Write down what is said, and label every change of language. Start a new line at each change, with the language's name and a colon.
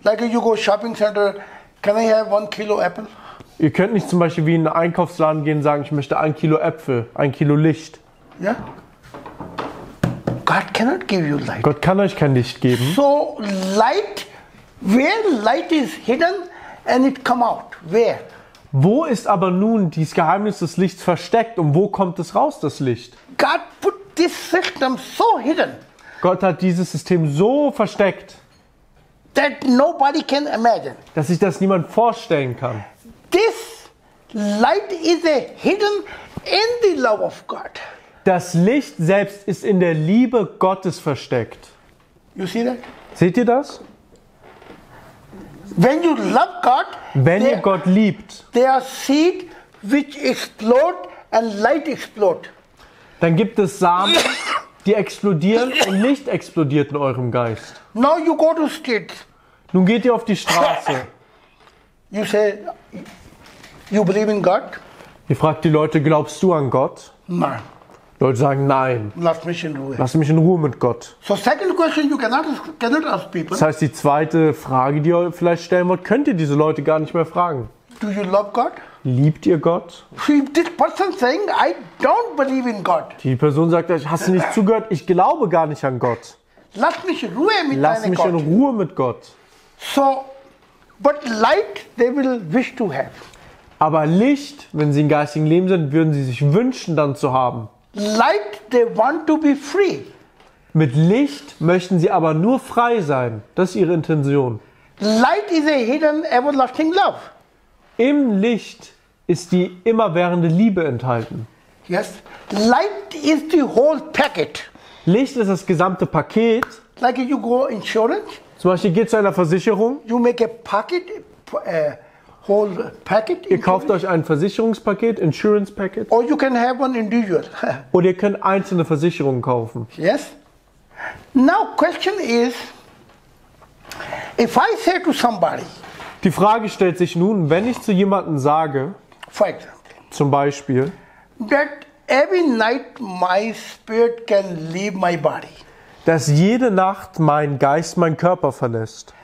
English: Like you go shopping center, can I have 1 kilo apple?
German: Ihr könnt nicht zum Beispiel wie in einen Einkaufsladen gehen und sagen, ich möchte 1 Kilo Äpfel, 1 Kilo Licht.
English: Ja? God cannot give you light.
German: Gott kann euch kein Licht geben.
English: So light, where light is hidden and it come out, where?
German: Wo ist aber nun dieses Geheimnis des Lichts versteckt und wo kommt es raus, das Licht?
English: God put this system so hidden.
German: Gott hat dieses System so versteckt,
English: that nobody can imagine.
German: Dass sich das niemand vorstellen kann.
English: This light is a hidden in the love of God.
German: Das Licht selbst ist in der Liebe Gottes versteckt.
English: You see that?
German: Seht ihr das?
English: When you love God,
German: wenn ihr Gott liebt,
English: there are seed which explode and light explode.
German: Dann gibt es Samen, die explodieren und Licht explodiert in eurem Geist.
English: Now you go to streets.
German: Nun geht ihr auf die Straße.
English: You say, you believe in God?
German: Ihr fragt die Leute, glaubst du an Gott? Nein. Leute sagen, nein. Lass mich in Ruhe. Lass mich in Ruhe mit Gott.
English: So second question you cannot ask people.
German: Das heißt, die zweite Frage, die ihr vielleicht stellen wollt, könnt ihr diese Leute gar nicht mehr fragen.
English: Do you love God?
German: Liebt ihr Gott?
English: See, this person saying, I don't believe in God.
German: Die Person sagt, hast du nicht zugehört? Ich glaube gar nicht an Gott. Lass mich in Ruhe mit Gott. Lass mich in Ruhe mit Gott.
English: So, but light they will wish to have.
German: Aber Licht, wenn sie im geistigen Leben sind, würden sie sich wünschen, dann zu haben.
English: Light they want to be free.
German: Mit Licht möchten sie aber nur frei sein. Das ist ihre Intention.
English: Light is a hidden everlasting love.
German: Im Licht ist die immerwährende Liebe enthalten.
English: Yes. Light is the whole packet.
German: Licht ist das gesamte Paket.
English: Like you go insurance.
German: Zum Beispiel geht zu einer Versicherung.
English: You make a packet, whole packet.
German: Ihr kauft euch ein Versicherungspaket, Insurance Packet.
English: Or you can have one individual.
German: Oder ihr könnt einzelne Versicherungen kaufen.
English: Yes. Now question is, if I say to somebody.
German: Die Frage stellt sich nun, wenn ich zu jemandem sage.
English: For example.
German: Zum Beispiel.
English: That every night my spirit can leave my body.
German: Dass jede Nacht mein Geist meinen Körper verlässt.